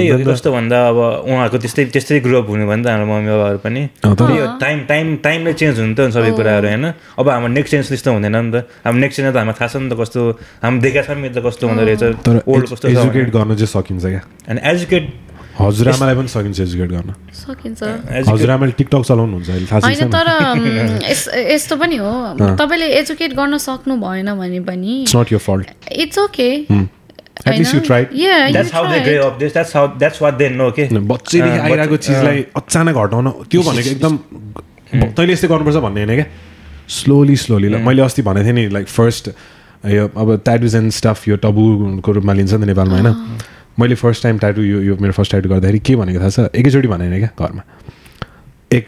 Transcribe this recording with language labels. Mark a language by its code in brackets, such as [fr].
[ne] कस्तो भन्दा अब उहाँहरूको त्यस्तै त्यस्तै ग्रुप हुनु भयो नि त हाम्रो मम्मी बाबाहरू पनि, टाइम टाइम टाइमले चेन्ज हुनु त सबै कुराहरू होइन, अब हाम्रो नेक्स्ट जेनेरेसन त्यस्तो हुँदैन नि त, हाम्रो नेक्स्ट जेनेरेसन त हामीलाई थाहा छ कस्तो हामी देखेको छौँ मित्र कस्तो हुँदो रहेछ, तर ओल्ड कस्तो एजुकेट गर्न चाहिँ सकिन्छ क्या, अनि एजुकेट हजुरआमालाई पनि सकिन्छ एजुकेट गर्न, सकिन्छ हजुरआमाले टिकटक चलाउनु हुन्छ अहिले थाहा छ हैन, तर यस्तो पनि हो तपाईले एजुकेट गर्न सक्नु भएन भने पनि [en] it's not your fault it's okay at least you tried yeah that's how they grow up this that's what they know okay [ne] बच्चे नि आइराको चीजलाई अचानक हटाउन त्यो भनेको एकदम तैले यस्तै गर्नुपर्छ भन्ने हैन क्या, स्लोली स्लोली मैले अस्ति भनेको थिएँ नि लाइक फर्स्ट यो अब [en] tattoos and stuff [ne] यो टबुको रूपमा लिन्छ नि नेपालमा होइन, मैले फर्स्ट टाइम ट्याटु यो यो मेरो फर्स्ट ट्याटु गर्दाखेरि के भनेको थाहा छ, एकैचोटि भने क्या घरमा एक